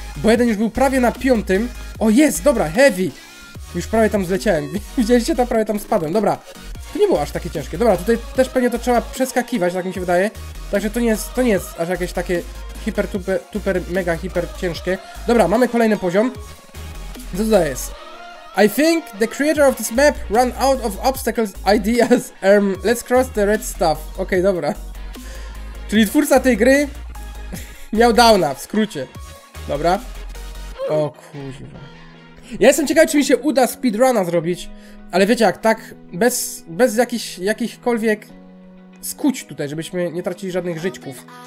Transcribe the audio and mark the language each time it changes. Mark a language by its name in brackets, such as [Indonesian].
[Polish] Bo jeden już był prawie na piątym. O, jest, dobra, heavy. Już prawie tam zleciałem. Widzieliście, to prawie tam spadłem, dobra. To nie było aż takie ciężkie. Dobra, tutaj też pewnie to trzeba przeskakiwać, tak mi się wydaje. Także to nie jest aż jakieś takie hiper, super, mega, hiper ciężkie. Dobra, mamy kolejny poziom. Co to jest? [English] I think the creator of this map ran out of obstacles ideas. Let's cross the red stuff. [Polish] Okej, dobra. Czyli twórca tej gry miał downa, w skrócie. Dobra. O kurwa. Ja jestem ciekaw, czy mi się uda speedruna zrobić. Ale wiecie jak, tak bez jakichkolwiek skuć tutaj, żebyśmy nie tracili żadnych żyćków.